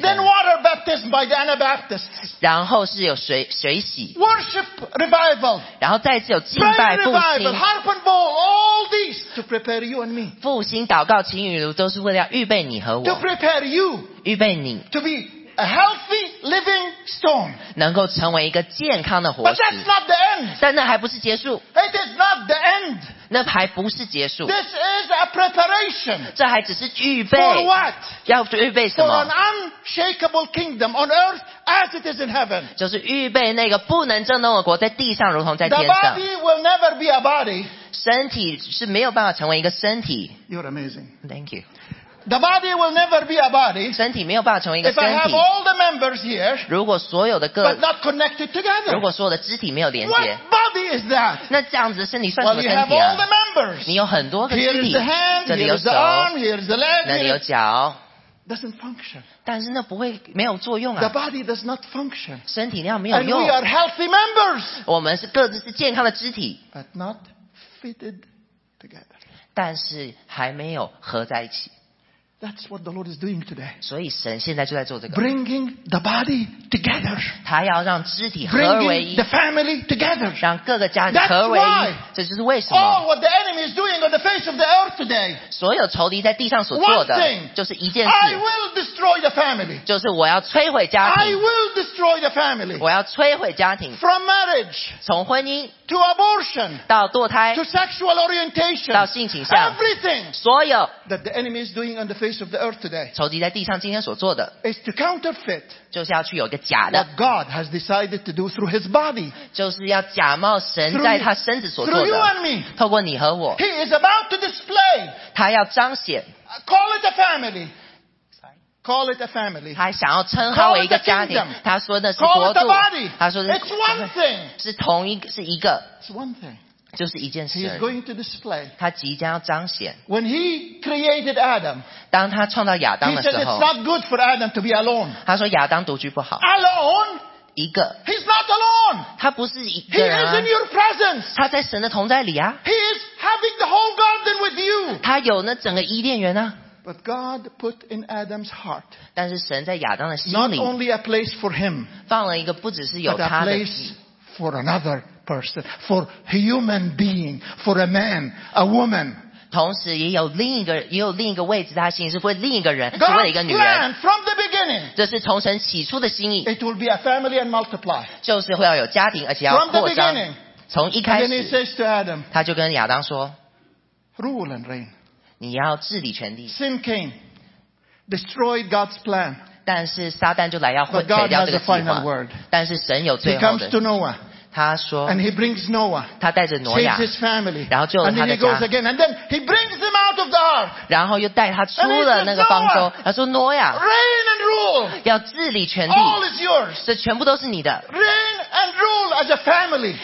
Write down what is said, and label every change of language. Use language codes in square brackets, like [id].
[en] Then water baptism by the Anabaptists. [zh] 然后是有 水洗 [en] Worship revival. [zh] 然后再次有敬拜复兴 [en] Harp and bowl, all these to prepare you and me. [zh] 复兴祷告情与炉都是为了要预备你和我 [en] To prepare you [zh] 预备你 [en] To beA healthy living stone. [zh] 能够成为一个健康的活石。 [en] But that's not the end. [zh] 但那还不是结束。 [en] It is not the end. [zh] 那还不是结束。 [en] This is a preparation. [zh] 这还只是预备。 [en] For what? [zh] 要预备什么? [en] For an unshakable kingdom on earth as it is in heaven. [zh] 就是预备那个不能震动的国在地上如同在天上。 [en] The body will never be a body. [zh] 身体是没有办法成为一个身体。 [en] You're amazing. Thank you. The body will never be a body. [zh] 身体没有办法成为一个身体。 [en] If I have all the members here, [zh] 如果所有的个 [en] but not connected together, [zh] 如果所有的肢体没有连接 [en] what body is that? [zh] 那这样子身体算什么身体啊 [en] well, you have all the members. [zh] 你有很多个肢体。 [en] Here is the hand, [zh] 这里有手 [en] here is the arm, here is the leg, [zh] 那里有脚。 [en] Doesn't function. [zh] 但是那不会没有作用啊。 [en] The body does not function. [zh] 身体那样没有用。 [en] And we are healthy members. [zh] 我们是各自是健康的肢体。 [en] But not fitted together. [zh] 但是还没有合在一起。 [en] That's what the Lord is doing today. [zh] 所以神现在就在做这个。 [en] Bringing the body together. [zh] 他要让肢体合为一。 [en] Bring the family together. [zh] 让各个家人合为一。这就是为什么。 [en] All what the enemy is doing on the face of the earth today. [zh] 所有仇敌在地上所做的。 [en] One thing. [zh] 就是一件事。 [en] I will destroy the family. [zh] 就是我要摧毁家庭。 [en] I will destroy the family. [zh] 我要摧毁家庭。 [en] From marriage. [zh] 从婚姻。 [en] To abortion. [zh] 到堕胎。 [en] To sexual orientation. [zh] 到性倾向。 [en] Everything. [zh] 所有。 [en] That the enemy is doing on the face of the earth today. [zh] 仇敌在地上今天所做的。 [en] Is to counterfeit. [zh] 就是要去有一个假的。 [en] What God has decided to do through his body. [zh] 就是要假冒神在他身子所做的。 [en] Through you and me. [zh] 透过你和我。 [en] He is about to display. [zh] 他要彰显。 [en] Call it a family. Call it a family. [zh] 他想要称它为一个家庭。他说那是国度。他说是。 [en] It's one thing. [zh] 是同一个，是一个。 [en] It's one thing. [zh] 就是一件事。 [en] He is going to display. [zh] 他即将要彰显。 [en] When he created Adam. [zh] 当他创造亚当的时候。 [en] He said it's not good for Adam to be alone. [zh] 他说亚当独居不好。 [en] Alone. [zh] 一个 [en] He's not alone. [zh] 他不是一个人啊 [en] He is in your presence. [zh] 他在神的同在里啊 [en] He is having the whole garden with you. [zh] 他有那整个伊甸园啊 [en] But God put in Adam's heart, [zh] 但是神在亚当的心里 [en] not only a place for him, [zh] 放了一个不只是有他的 [en] but a place for another person, for human being, for a man, a woman. [zh] 同时也有另一个也有另一个位置，他心里是为另一个人，是为了一个女人。 [en] God's plan from the beginning, [zh] 这是从神起初的心意。 [en] It will be a family and multiply, [zh] 就是会要有家庭，而且要扩张。从一开始 [en] and then he says to Adam, [zh] 他就跟亚当说 [en] ，Rule and reign. [zh] 你要治理全地。 [en] Sin came, destroyed God's plan. [zh] 但是撒旦就来要毁掉这个计划。 [en] But God has a final word. [zh] 但是神有最后的。 [en] He comes to Noah. [zh] 他说。 [en] And he brings Noah. [zh] 他带着挪亚。 [en] Saves his family. [zh] 然后救了他的家。 [en] And then he goes again. And then he brings him out of the ark. [zh] 然后又带他出了那个方舟。他说挪亚。 [en] Reign and rule. [zh] 要治理全地。 [en] All is yours. [zh] 这全部都是你的。 [en] Reign and rule as a family.